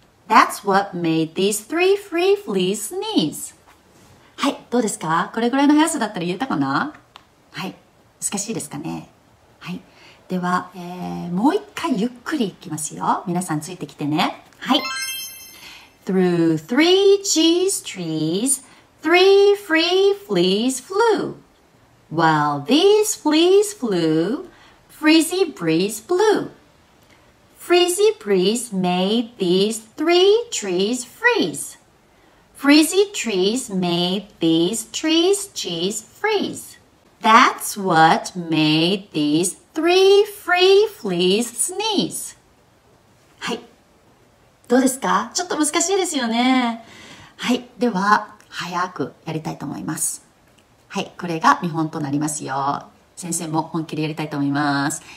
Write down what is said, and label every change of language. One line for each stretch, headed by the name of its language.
English: That's what made these three free fleas sneeze.
Japanese: はい、どうですか？これぐらいの速さだったら言えたかな？はい、難しいですかね。はい、では、もう一回ゆっくりいきますよ。皆さんついてきてね。はい。
English: Through three cheese trees, three free fleas flew. While these fleas flew, freezy breeze blew. Freezy breeze made these three trees freeze. Freezy trees made these trees cheese freeze. That's what made these three free fleas sneeze.
Japanese: はい。どうですか？ちょっと難しいですよね。はい。では、早くやりたいと思います。はい。これが見本となりますよ。先生も本気でやりたいと思います。